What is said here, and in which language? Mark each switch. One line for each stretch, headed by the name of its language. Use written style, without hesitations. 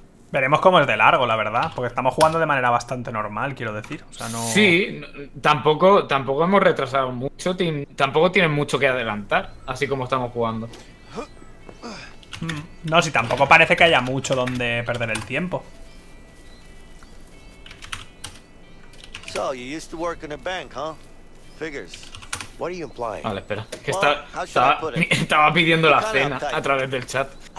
Spanish: Veremos cómo es de largo, la verdad, porque estamos jugando de manera bastante normal, quiero decir. O sea, no... Sí, tampoco hemos retrasado mucho, tampoco tienen mucho que adelantar, así como estamos jugando. No, sí, tampoco parece que haya mucho donde perder el tiempo.
English: So, you used to work in a bank, huh? Figures. What are you implying?
Spanish: Vale, espera. Que estaba pidiendo la cena a través del chat.